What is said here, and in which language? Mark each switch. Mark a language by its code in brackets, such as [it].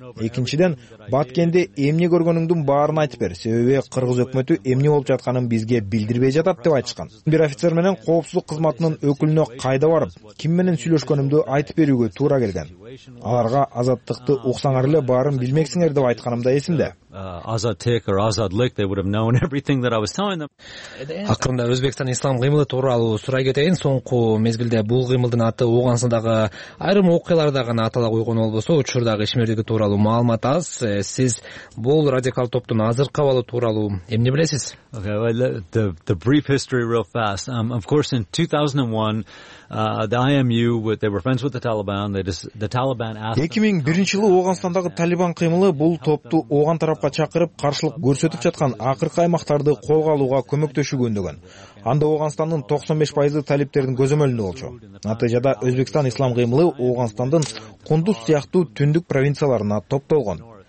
[ky] Экинчиден Баткенде эмне көргөнүңдүн баарын айтып бер. Себеби кыргыз өкмөтү эмне болуп жатканын бизге билдирбей жатат деп айтышкан. Бир офицер менен коопсуздук кызматынын өкүлүнө кайда барып, ким менен сүйлөшкөнүмдү айтып берүүгө туура келген. Аларга азаттыкты уксаңар эле баарын билмексиңер деп айтканымда эсимде. [en] Azadlik or Azadlik, they would have known everything that I was telling them. [ky] Акырында Өзбекстан ислам кыймылы тууралуу сурай кетейин. Соңку мезгилде бул кыймылдын аты угансындагы айрым окуяларда гана атала койгон болбосо, учурдагы ишмердиги тууралуу маалымат аз. Сиз бул радикал топтун азыркы абалы тууралуу эмне билесиз? [en] The brief history real fast. Of course, in 2001, the IMU, they were friends with the Taliban. The Taliban asked [ky] 2001 жылы Ооганстандагы Талибан кыймылы бул топту ооган тарапка чакырып, каршылык көрсөтүп жаткан акыркы аймактарды колго алууга көмөктөшүүгө үндөгөн. Анда Ооганстандын 95% талиптердин көзөмөлүндө болчу. Натыйжада Өзбекстан ислам кыймылы Ооганстандын Кундуз сыяктуу түндүк провинцияларына топтолгон.